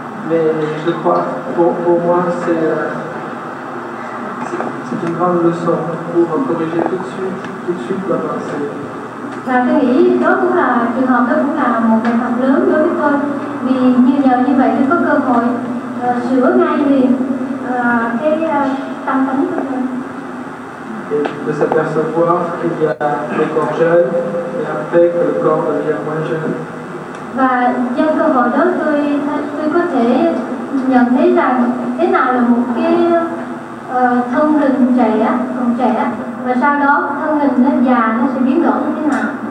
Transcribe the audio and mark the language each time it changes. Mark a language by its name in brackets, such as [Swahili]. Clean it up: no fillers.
[French] Mais je crois pour moi c'est une grande leçon pour corriger tout de suite la pensée. [Vietnamese] Và tôi nghĩ đó cũng là trường hợp, đó cũng là một bài học lớn đối với tôi, vì như giờ như vậy tôi có cơ hội sửa ngay liền cái tâm tính của tôi. [French] de s'apercevoir qu'il y a des corps jeunes et après que le corps devient moins jeune. [Vietnamese] Và do cơ hội đó tôi có thể nhận thấy rằng thế nào là một cái thân hình trẻ, còn trẻ và sau đó thân hình nó già nó sẽ biến đổi như thế nào.